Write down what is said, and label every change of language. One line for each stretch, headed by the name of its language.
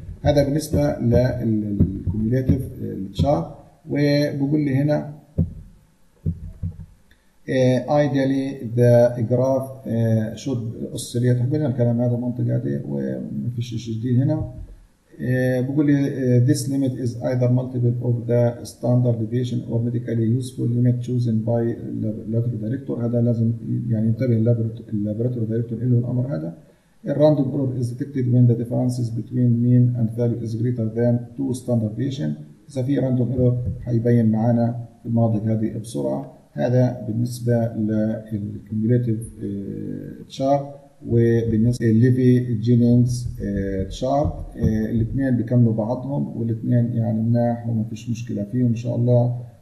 Arabic: هذا بالنسبة للكوميوليتيف تشارت، وبقول لي هنا
English: ideally the graph should oscillate
Arabic: حبينا الكلام هذا المنطقة هذه وما فيش شيء جديد هنا.
English: بقول لي this limit is either multiple of the standard deviation or medically useful limit chosen by laboratory director،
Arabic: هذا لازم يعني ينتبه
English: laboratory director
Arabic: إله الأمر هذا.
English: الراندوم error is detected when the differences between mean and value is greater than two standard deviation.
Arabic: اذا في راندوم ايرور حيبين معنا في الناضج هذه بسرعه. هذا بالنسبه للكوميوليتيف تشارت وبالنسبه للليفي جينينجز تشارت، الاثنين بيكملوا بعضهم والاثنين يعني مناح وما فيش مشكله فيهم ان شاء الله.